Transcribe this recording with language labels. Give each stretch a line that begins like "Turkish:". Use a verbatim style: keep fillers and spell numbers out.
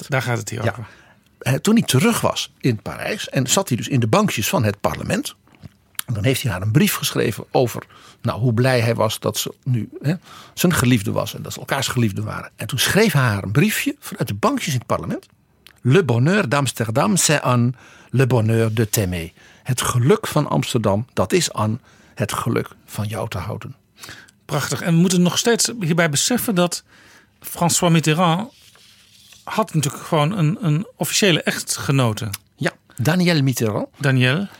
Dutch: Daar, daar gaat het hier ja. over. Toen hij terug was in Parijs en zat hij dus in de bankjes van het parlement. En dan heeft hij haar een brief geschreven over nou, hoe blij hij was dat ze nu hè, zijn geliefde was. En dat ze elkaars geliefde waren. En toen schreef hij haar een briefje vanuit de bankjes in het parlement.
French: Le bonheur d'Amsterdam, c'est aan le bonheur de t'aimer.
Dutch: Het geluk van Amsterdam, dat is aan het geluk van jou te houden. Prachtig. En we moeten nog steeds hierbij beseffen dat François Mitterrand... had natuurlijk gewoon een, een officiële echtgenote. Ja, Danielle Mitterrand. Danielle.